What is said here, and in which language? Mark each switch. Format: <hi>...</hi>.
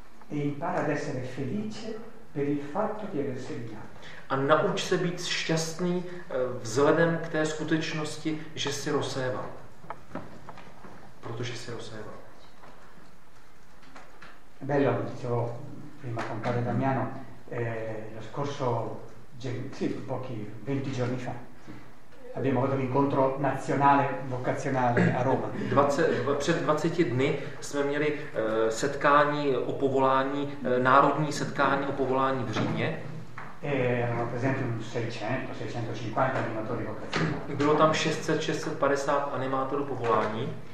<it>E impara ad essere felice per il fatto di aver seminato.</it> <cs>A nauč se být šťastný vzhledem k té skutečnosti, že jsi rozséval. Protože jsi rozséval.</cs> <it>Bello, come dicevo prima con padre Damiano, lo scorso pochi 20 giorni fa abbiamo avuto l'incontro nazionale vocazionale a Roma.</it> <cs>Před 20 dny jsme měli setkání o povolání, národní setkání o povolání v Římě.</cs> <it>Erano presenti 650 animatori vocazionali.</it> <cs>Bylo tam 650 animátorů povolání.</cs>